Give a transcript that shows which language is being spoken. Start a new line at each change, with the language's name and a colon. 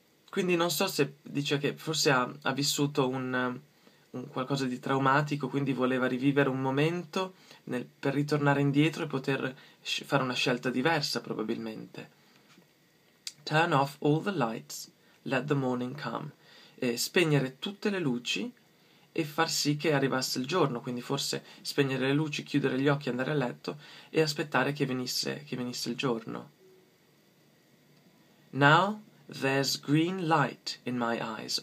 Italian: Quindi non so se dice che forse ha vissuto un qualcosa di traumatico, quindi voleva rivivere un momento per ritornare indietro e poter fare una scelta diversa, probabilmente.
English: Turn off all the lights, let the morning come.
Italian: E spegnere tutte le luci e far sì che arrivasse il giorno, quindi forse spegnere le luci, chiudere gli occhi, andare a letto e aspettare che venisse il giorno.
English: Now there's green light in my eyes.